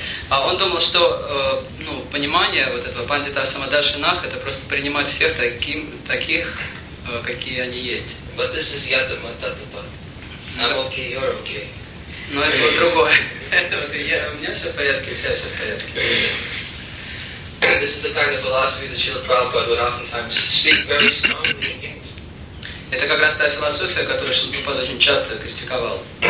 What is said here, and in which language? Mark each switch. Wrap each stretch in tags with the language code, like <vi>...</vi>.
<ru>Он думал, что понимание вот этого Пандита Самадаршинах это просто принимать всех таких, какие они есть.</ru> <en>But this is Yatama Tatapa. I'm okay, you're okay.</en> <ru>Но это вот другое. Это вот у меня все в порядке, у тебя все в порядке.</ru> <en>And this is the kind of philosophy that Srila Prabhupada would oftentimes speak very strongly against.</en> <ru>Это как раз та философия, которую Шрила Прабхупада очень часто критиковал.</ru>